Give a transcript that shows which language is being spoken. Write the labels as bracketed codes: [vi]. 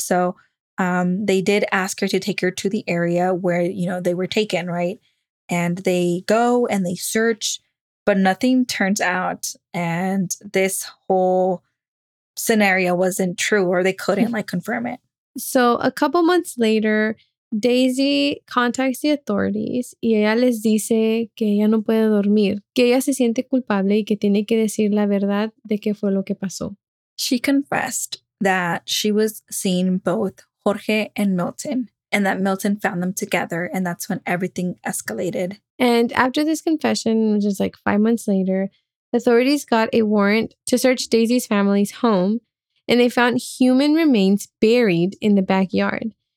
[en] So they did ask her to take her to the area where, you know, they were taken, right? And they go and they search, but nothing turns out. And this whole scenario wasn't true, or they couldn't like confirm it. So a couple months later, Daisy contacts the authorities [es] y ella les dice que ella no puede dormir, que ella se siente culpable y que tiene que decir la verdad de qué fue lo que pasó. [en] She confessed that she was seeing both Jorge and Milton, and that Milton found them together, and that's when everything escalated. And after this confession, which is like 5 months later, authorities got a warrant to search Daisy's family's home, and they found human remains buried in the backyard.